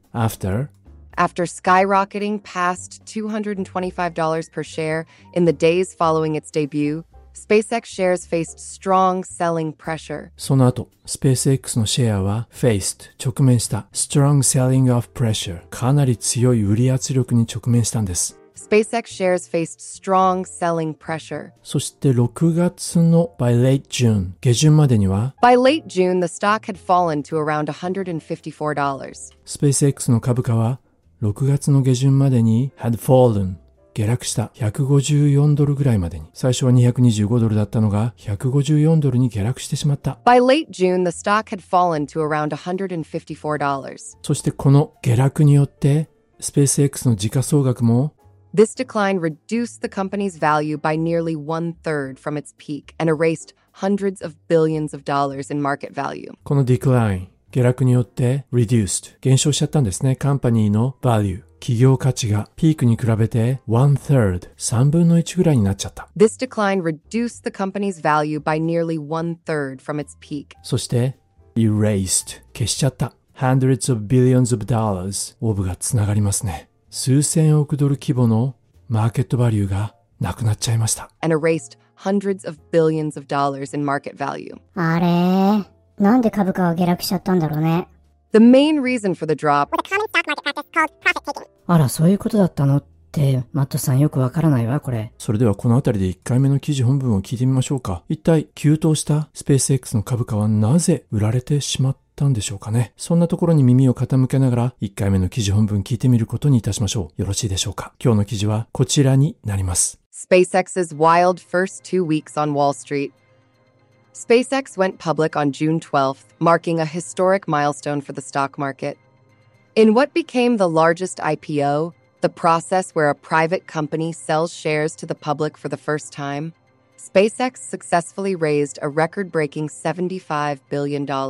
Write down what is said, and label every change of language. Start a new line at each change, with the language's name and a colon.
English: After skyrocketing past $225 per share in the days following its debut、SpaceX shares faced strong selling pressure.
Japanese: その後、SpaceX のシェアは
English: faced
Japanese: 直面した
English: strong selling of pressure、
Japanese: かなり強い売り圧力に直面したんです。
English: SpaceX shares faced strong selling pressure.
Japanese: そして6月の
English: by late June
Japanese: 下旬までには、
English: by late June the stock had fallen to around $154.
Japanese: SpaceX の株価は6月の下旬までに
English: had fallen、
Japanese: 下落した。 154ドルぐらいまでに。最初は225ドルだったのが154ドルに下落してしまった。
English: By late June, the stock had fallen to around $154.
Japanese: そしてこの下落によって、SpaceX の時価総額も、
English: This decline reduced the company's value by nearly one third from its peak and erased hundreds of billions of dollars in market value.
Japanese: この decline、下落によって
English: reduced、
Japanese: 減少しちゃったんですね。
English: company の value。
Japanese: 企業価値がピークに比べて
English: one third、
Japanese: 3分の1ぐらいになっちゃった。
English: This decline reduced the company's value by nearly one third from its peak.
Japanese: そして
English: erased、
Japanese: 消しちゃった。
English: hundreds of billions of dollars、
Japanese: オブがつながりますね。数千億ドル規模のマーケットバリューがなくなっちゃいました。
English: And erased hundreds of billions of dollars in market value.
Japanese: あれ、なんで株価が下落しちゃったんだろうね。
English: The main reason for the drop was a common stock market practice called profit taking.
Japanese: あら、そういうことだったのって、マットさんよくわからないわ、これ。それではこのあたりで1回目の記事本文を聞いてみましょうか。一体、急騰したスペース X の株価はなぜ売られてしまったんでしょうかね。そんなところに耳を傾けながら、1回目の記事本文聞いてみることにいたしましょう。よろしいでしょうか。今日の記事はこちらになります。
English: SpaceX's wild first 2 weeks on Wall Street. SpaceX went public on June 12th, marking a historic milestone for the stock market. In what became the largest IPO, the process where a private company sells shares to the public for the first time, SpaceX successfully raised a record-breaking $75 billion.